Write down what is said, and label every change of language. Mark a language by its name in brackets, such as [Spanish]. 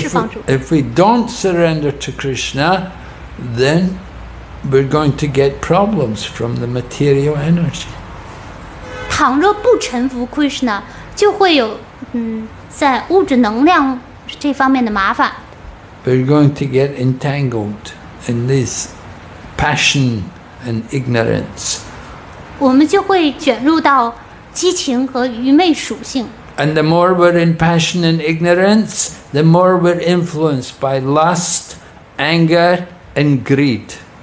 [English] But if we don't surrender to Krishna, then we're going to get problems from the material energy. [Chinese] 倘若不臣服 Krishna, 就会有在物质能量这方面的麻烦。 [English] We're going to get entangled in this passion and ignorance. [Chinese] 我们就会卷入到激情和愚昧属性。 [English] And the more we're in passion and ignorance, the more we're influenced by lust, anger, and greed.